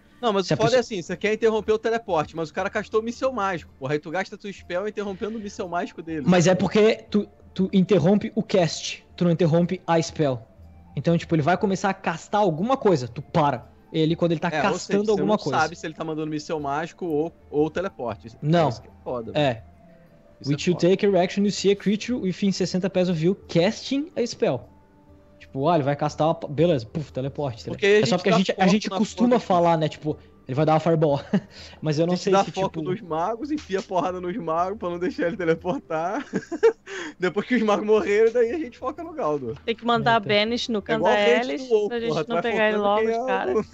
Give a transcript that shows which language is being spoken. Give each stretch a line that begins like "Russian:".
Portuguese: Não, mas é assim, você quer interromper o teleporte, mas o cara castou o míssil mágico, porra, aí tu gasta tua spell interrompendo o míssil mágico dele. Mas é porque tu interrompe o cast, tu não interrompe a spell. Então, tipo, ele vai começar a castar alguma coisa, tu para ele quando ele tá castando seja, alguma coisa. não sabe se ele tá mandando míssil mágico ou teleporte. Não. Isso que é foda. É.
English: Which you take a reaction, you see a creature within 60 pés of you casting a spell.
Portuguese: Tipo, ele vai castar, beleza, puf, teleporte. Porque é só porque a gente costuma falar, né, tipo, ele vai dar uma fireball. Mas eu não sei se, tipo... A gente dá foco nos magos, enfia porrada nos magos pra não deixar ele teleportar. Depois que os magos morreram, daí a gente foca no Galdo. Tem que mandar a Banish no Candaelis, pra gente não pegar ele logo, cara.